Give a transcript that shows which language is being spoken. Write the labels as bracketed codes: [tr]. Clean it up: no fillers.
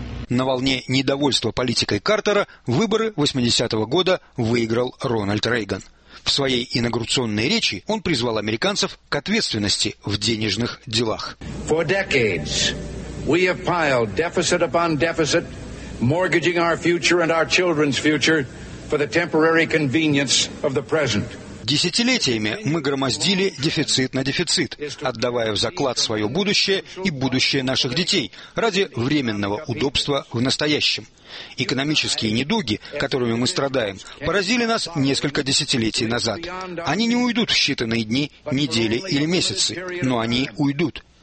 [ru] На волне недовольства политикой Картера выборы 80-го года выиграл Рональд Рейган. В своей инаугурационной речи он призвал американцев к ответственности в денежных делах. [en] For decades we have piled deficit upon deficit, mortgaging our future and our children's future for the temporary convenience of the present. [ru] Десятилетиями мы громоздили дефицит на дефицит, отдавая в заклад свое будущее и будущее наших детей ради временного удобства в настоящем. Экономические недуги, которыми мы страдаем, поразили нас несколько десятилетий назад. Они не уйдут в считанные дни, недели или месяцы, но они уйдут.